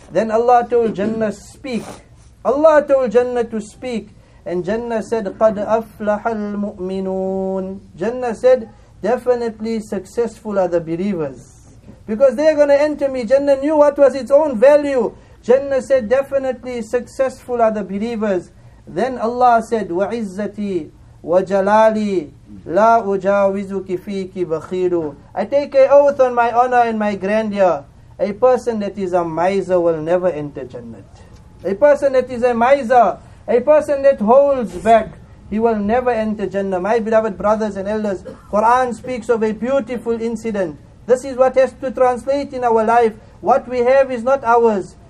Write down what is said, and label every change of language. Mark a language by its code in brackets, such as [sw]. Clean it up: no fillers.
[en] Then Allah told Jannah, speak. Allah told Jannah to speak. And Jannah said, [ar] قَدْ أَفْلَحَ الْمُؤْمِنُونَ. [en] Jannah said, definitely successful are the believers. Because they are going to enter me. Jannah knew what was its own value. Jannah said, definitely successful are the believers. Then Allah said, [ar] وَعِزَّتِي وَجَلَالِي لَا أُجَاوِزُكِ فِيكِ بَخِيلُ. [en] I take an oath on my honor and my grandeur. A person that is a miser will never enter Jannah. A person that is a miser, a person that holds back, He will never enter Jannah. My beloved brothers and elders, Quran speaks of a beautiful incident. This is what has to translate in our life. What we have is not ours.